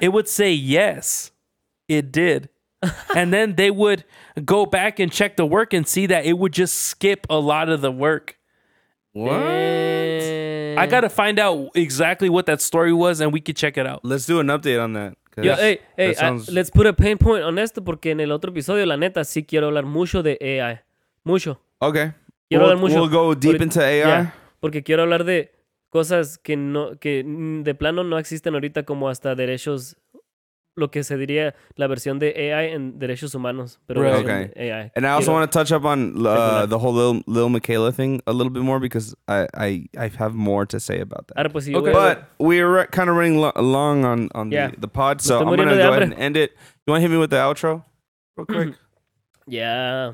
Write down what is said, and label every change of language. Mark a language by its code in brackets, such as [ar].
[en] It would say, yes, it did. And then they would go back and check the work and see that it would just skip a lot of the work. I got to find out exactly what that story was, and we could check it out. Let's do an update on that. Yo, hey, let's put a pain point on [es] esto, porque en el otro episodio, la neta, sí quiero hablar mucho de AI. Mucho. [en] Okay. [es] Quiero hablar mucho. [en] We'll go deep into AI. Yeah, [es] porque quiero hablar de cosas que no, que de plano no existen ahorita, como hasta derechos, lo que se diría la versión de AI en derechos humanos. Pero [en] right. Okay. AI. And I also want to touch up on the whole Lil Michaela thing a little bit more, because I have more to say about that. [es] Ahora, pues, sí, [en] okay. But we're kind of running long on yeah. the pod, so I'm going to go ahead and end it. You want to hit me with the outro real quick? Yeah.